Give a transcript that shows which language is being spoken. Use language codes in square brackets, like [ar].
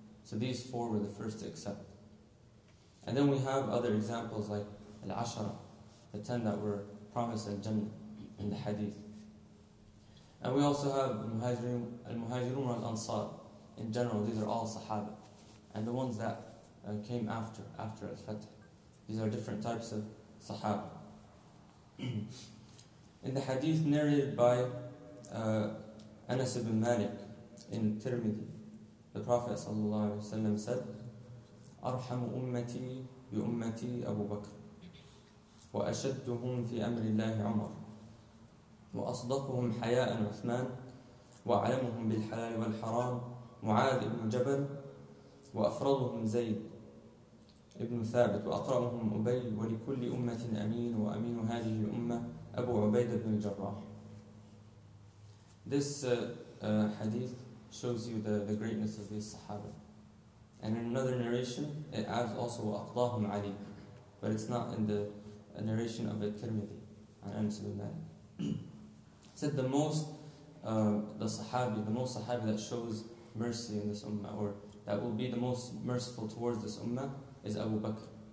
[en] So these four were the first to accept. And then we have other examples like Al-Ashara, the 10 that were promised Al-Jannah in the Hadith. And we also have Al-Muhajirun Al-Ansar. In general, these are all Sahaba. And the ones that came after Al-Fatih, these are different types of Sahaba. In the Hadith narrated by Anas ibn Malik in Tirmidhi, the Prophet ﷺ said, [ar] أَرْحَمُ أُمَّتِي بِأُمَّتِي أَبُو بَكْرٍ وَأَشَدُّهُمْ فِي أَمْرِ اللَّهِ عُمَرٍ وَأَصْدَقُهُمْ حَيَاءً عُثْمَانٍ وَعَلَمُهُمْ بِالْحَلَالِ وَالْحَرَامِ معاذ ابن جبل وأفرضهم زيد ابن ثابت وأقربهم أبي ولكل أمة أمين وأمين هذه الأمة أبو عبيدة بن الجراح. [en] This hadith shows you the greatness of these Sahaba. And in another narration, it adds also [ar] وأقضاهم علي. [en] But it's not in the narration of Al-Tirmidhi [ar] عن أنس بن مالك. [en] Said the most Sahaba that shows mercy in this ummah, or that will be the most merciful towards this ummah, is Abu Bakr.